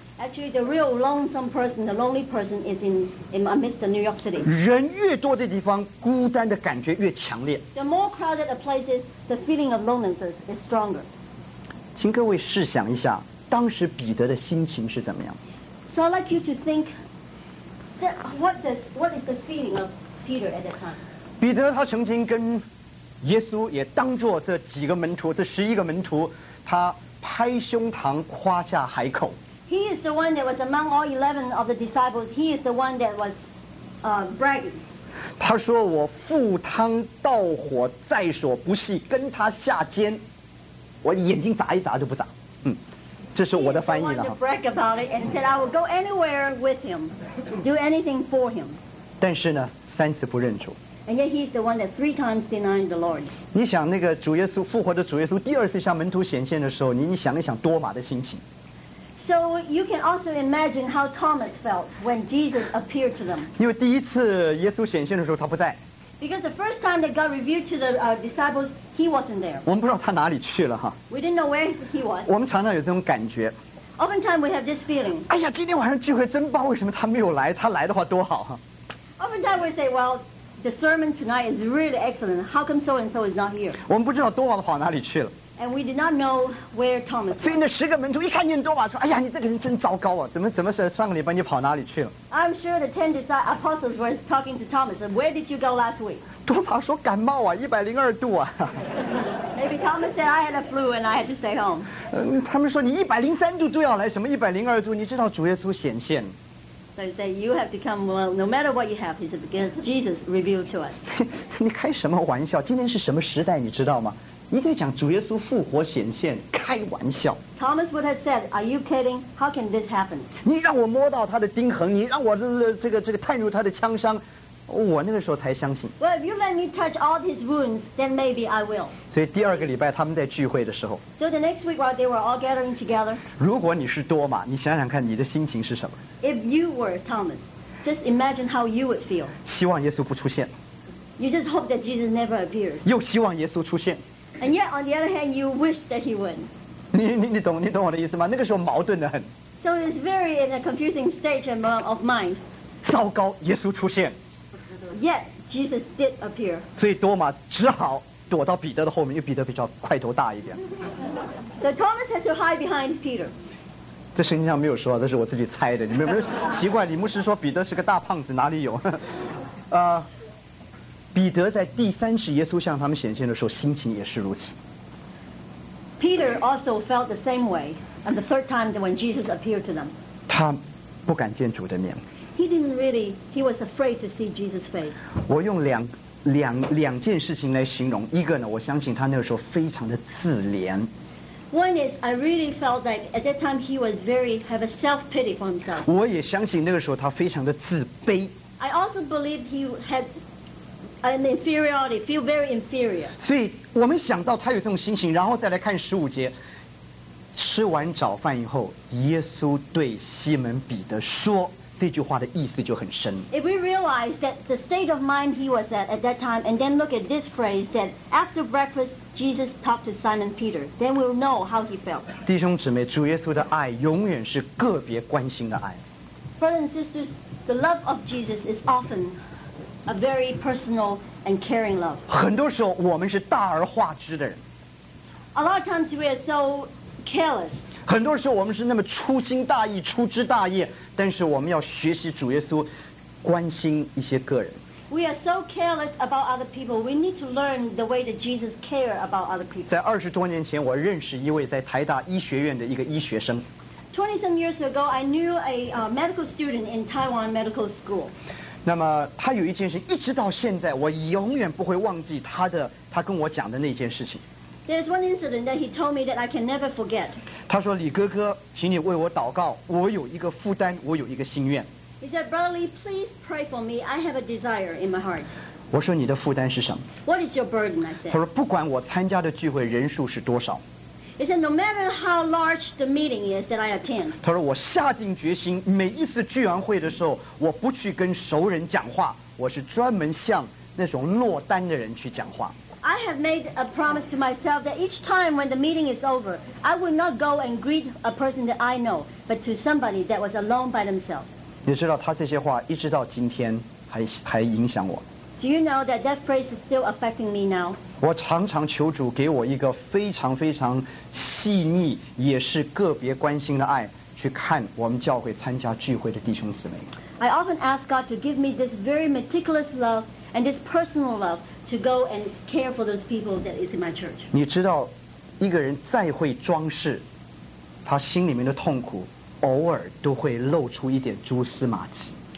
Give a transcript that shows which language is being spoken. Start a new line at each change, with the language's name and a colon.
English: Actually, the real lonesome person, the lonely person, is in amidst the New York City.
Chinese: 人越多的地方，孤单的感觉越强烈。
English: The more crowded a place is, the feeling of loneliness is stronger.
Chinese: 请各位试想一下，当时彼得的心情是怎么样
English: ？So I'd like you to think that what is the feeling of Peter at that time?
Chinese: 彼得他曾经跟耶稣也当作这几个门徒，这十一个门徒，他拍胸膛，夸下海口。
English: He is the one that was among all 11 of the disciples. He is the one that was bragging.
Chinese: 他说我赴汤蹈火在所不惜，跟他下监，我眼睛眨一眨就不眨。嗯，这是我的翻译了。
English: He is the one to brag about it and said I will go anywhere with him, do anything for him.
Chinese: 但是呢，三次不认主。
English: And yet he is the one that 3 times denied the Lord.
Chinese: 你想那个主耶稣复活的主耶稣第二次向门徒显现的时候，你想一想多马的心情。
English: So you can also imagine how Thomas felt when Jesus appeared to them.
Chinese: 因为第一次耶稣显现的时候他不在。
English: Because the first time that God revealed to the disciples, he wasn't there.
Chinese: 我们不知道他哪里去了哈。
English: We didn't know where he was.
Chinese: 我们常常有这种感觉。
English: Oftentimes we have this feeling.
Chinese: 哎呀，今天晚上聚会真棒，为什么他没有来？他来的话多好哈。
English: Oftentimes we say, well, the sermon tonight is really excellent. How come so and so is not here?
Chinese: 我们不知道多马跑哪里去了。
English: And we did not know where Thomas was.
Chinese: 所以那十个门徒一看见多马说：“哎呀，你这个人真糟糕啊！怎么是上个礼拜你跑哪里去了？”
English: I'm sure the 10 apostles were talking to Thomas. Where did you go last week?
Chinese: 多马说：“感冒啊，102度啊。”
English: Maybe Thomas said I had a flu and I had to stay home.
Chinese: 他们说你103度都要来，什么102度？你知道主耶稣显现。
English: They say you have to come. Well, no matter what you have, he said, because Jesus revealed to us.
Chinese: 你开什么玩笑？今天是什么时代？你知道吗？你在讲主耶稣复活显现，开玩笑。
English: Thomas would have said, "Are you kidding? How can this happen?"
Chinese: 你让我摸到他的钉痕，你让我这个探入他的枪伤，我那个时候才相信。
English: Well, if you let me touch all his wounds, then maybe I will.
Chinese: 所以第二个礼拜他们在聚会的时候。
English: So the next week while they were all gathering together.
Chinese: 如果你是多马，你想想看你的心情是什么。
English: If you were Thomas, just imagine how you would feel.
Chinese: 希望耶稣不出现。
English: You just hope that Jesus never appears.
Chinese: 又希望耶稣出现。
English: And yet, on the other hand, you wish that he would.
Chinese: 你懂我的意思吗？那个时候矛盾的很。
English: So it's very in a confusing stage of mind.
Chinese: 糟糕，耶稣出现。
English: Yet Jesus did appear.
Chinese: 所以多马只好躲到彼得的后面，因为彼得比较块头大一点。
English: So Thomas had to hide behind Peter.
Chinese: 这圣经上没有说，这是我自己猜的。你们有没有奇怪？李牧师说彼得是个大胖子，哪里有？彼得在第三次耶稣向他们显现的时候，心情也是如此。
English: Peter also felt the same way on the third time when Jesus appeared to them.
Chinese: 他不敢见主的面。
English: He didn't really. He was afraid to see Jesus' face.
Chinese: 我用两件事情来形容。一个呢，我相信他那个时候非常的自怜。
English: One is I really felt like at that time he was very have a self pity for himself.
Chinese: 我也相信那个时候他非常的自卑。
English: I also believe he had. An inferiority, feel very inferior.
Chinese: 所以我们想到他有这种心情，然后再来看十五节，吃完早饭以后，耶稣对西门彼得说，这句话的意思就很深。
English: If we realize that the state of mind he was at that time, and then look at this phrase that after breakfast Jesus talked to Simon Peter, then we'll know how he felt.
Chinese: 弟兄姊妹，主耶稣的爱永远是个别关心的爱。
English: Brothers and sisters, the love of Jesus is often a very personal and caring love.
Chinese: 很多时候我们是大而化之的人。 A lot of times we are so careless. 很多时候我们是那么粗心大意、粗枝大叶，但是我们要学习主耶稣关心一些个人。
English: We are so careless about other people. We need to learn the way that Jesus cares about other people.
Chinese: 在二十多年前，我认识一位在台大医学院的一个医学生。
English: 20 some years ago, I knew a medical student in Taiwan medical school.
Chinese: 那么他有一件事一直到现在我永远不会忘记他的他跟我讲的那件事情。
English: There's one incident that he told me that I can never forget.
Chinese: 他说李哥哥请你为我祷告我有一个负担我有一个心愿。
English: He said, Brother Lee, please pray for me. I have a desire in my heart.
Chinese: 我说你的负担是什么
English: What is your burden? I said.
Chinese: 他说不管我参加的聚会人数是多少。
English: He said, no matter how large the meeting is that I attend.
Chinese: 他说我下定决心每一次聚完会的时候我不去跟熟人讲话我是专门向那种落单的人去讲话。
English: I have made a promise to myself that each time when the meeting is over, I will not go and greet a person that I know, but to somebody that was alone by themselves.
Chinese: 你知道他这些话一直到今天还影响我。
English: Do you know that that phrase is still affecting me now?
Chinese: 我常常求主给我一个非常非常细腻也是个别关心的爱去看我们教会参加聚会的弟兄姊妹。
English: I often ask God to give me this very meticulous love and this personal love to go and care for those people that is in my church.
Chinese: 你知道一个人再会装饰他心里面的痛苦偶尔都会露出一点蛛丝马迹。